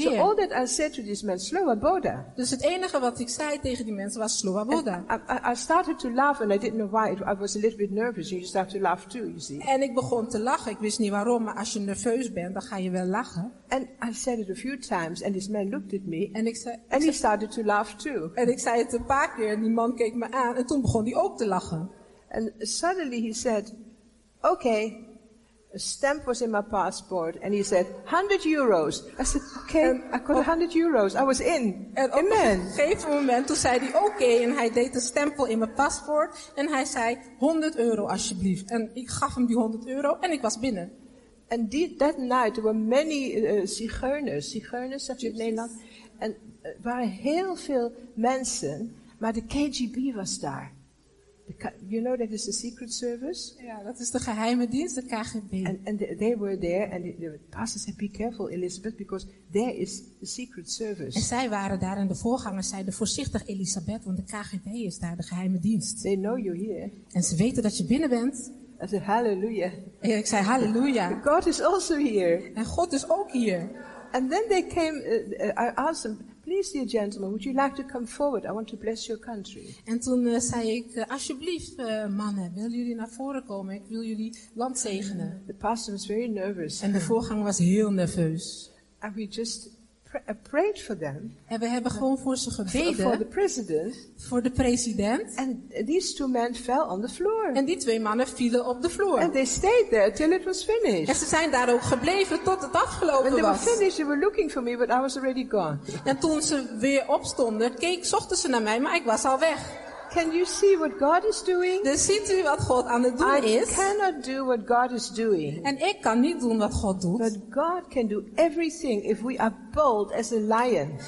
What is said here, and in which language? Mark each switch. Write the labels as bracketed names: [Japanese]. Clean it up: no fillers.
[English] So all that I said to these men, Sloboda. [Dutch] Dus het enige wat ik zei tegen die mensen was Sloboda. [English] I started to laugh and I didn't know why. I was a little bit nervous. You start to laugh too, you see. [Dutch] En ik begon te lachen. Ik wist niet waarom, maar als je nerveus bent, dan ga je wel lachen. [English] And I said it a few times and this man looked at me. [Dutch] En ik zei, [English] and he started to laugh too. [Dutch] En ik zei het een paar keer en die man keek me aan en toen begon hij ook te lachen. [English] And suddenly he said, okay, a stamp was in my passport. And he said, 100 euros. I said, okay, and I got 100 euros. I was in. [Dutch] En op een gegeven moment, toen zei hij, okay. En hij deed een stempel in mijn paspoort. En hij zei, 100 euro alsjeblieft. En ik gaf hem die 100 euro en ik was binnen. [English] And that night, there were many zigeuners. [Dutch] Zigeuners, zeg je in Nederland. En er waren heel veel mensen, maar de KGB was daar. [English] You know that is the secret service? [Dutch] Ja, dat is de geheime dienst, de KGB. [English] And they were there, and the pastor said, be careful, Elizabeth, because there is the secret service. [Dutch] En zij waren daar, en de voorgangers zeiden, voorzichtig, Elizabeth, want de KGB is daar, de geheime dienst. [English] They know you're here. [Dutch] En ze weten dat je binnen bent. [English] I said, hallelujah. [Dutch] En ik zei, hallelujah. [English] God is also here. [Dutch] En God is ook hier. [English] And then they came, I asked them, please, dear gentlemen, would you like to come forward? I want to bless your country. [Dutch] En toen zei ik, alsjeblieft, mannen, willen jullie naar voren komen? Ik wil jullie land zegenen. [English] The pastor was very nervous. [Dutch] En de voorganger was heel nerveus. [English] And we just prayed for them. [Dutch] En we hebben gewoon voor ze gebeden. [English] For the president. [Dutch] Voor de president. [English] And these two men fell on the floor. [Dutch] En die twee mannen vielen op de vloer. [English] And they stayed there till it was finished. [Dutch] En ze zijn daar ook gebleven tot het afgelopen was. [English] When they were finished, they were looking for me, but I was already gone. [Dutch] En toen ze weer opstonden, zochten ze naar mij, maar ik was al weg. [English] Can you see what God is doing? [Dutch] Dus ziet u wat God aan het doen is? [English] I cannot do what God is doing. [Dutch] En ik kan niet doen wat God doet. [English] But God can do everything if we are bold as a lion.